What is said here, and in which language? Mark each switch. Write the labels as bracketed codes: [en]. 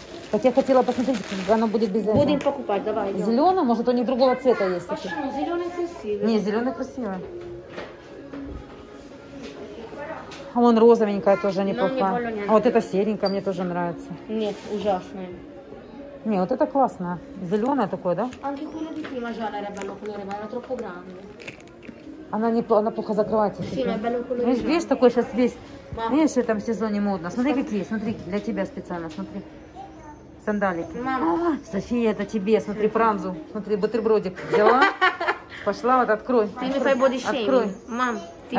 [ru] Так я хотела посмотреть, как оно будет без этого. Будем покупать, давай. Идем. Зеленый? Может, у них другого цвета есть? Почему? Такие. Зеленый красивый. Не, зеленый красивый. А вон розовенькая тоже неплохая. Не, вот эта серенькая мне тоже нравится. Нет, ужасная. Не, вот это классная. Зеленая такое, да? [it] Anche quello di prima già era bello colore, ma era troppo grande. [ru] Она плохо закрывается. [it] Sì, ma è bello colore. [ru] Видишь, видишь, такой сейчас весь... [it] Ma... [ru] Видишь, в этом сезоне модно. Смотри, какие, смотри, для тебя специально, смотри. Сандалики. Мама. А, София, это тебе. Смотри, пранзу. Смотри, бутербродик взяла. Пошла, вот открой. Ты мне твой боди шейминг. Открой. Мам, ты